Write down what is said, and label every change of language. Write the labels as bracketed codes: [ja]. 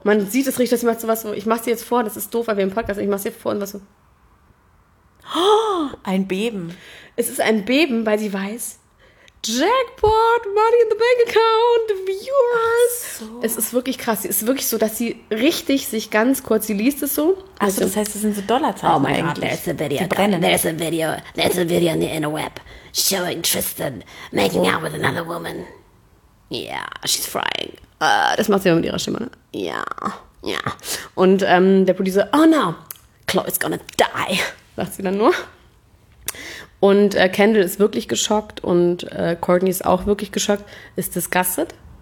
[de] Man sieht es richtig, dass sie macht sowas so, ich mach's dir jetzt vor, das ist doof, weil wir im Podcast, ich mach's dir vor und was so... Ein Beben. Es ist ein Beben, weil sie weiß, Jackpot, [en] Money in the Bank Account, [de] Viewers. So. Es ist wirklich krass. Es ist wirklich so, dass sie richtig sich ganz kurz, sie liest es so. Achso, das heißt, es sind so Dollarzeichen. [en] Oh my God, there's a video. There's a video on the interweb showing Tristan making out with another woman. Yeah, she's frying. [de] Das macht sie immer mit ihrer Stimme, ne? Ja, ja. Und der Producer, [en] oh no, Chloe's gonna die. [de] Sagt sie dann nur. Und Kendall ist wirklich geschockt und Courtney ist auch wirklich geschockt, ist disgusted.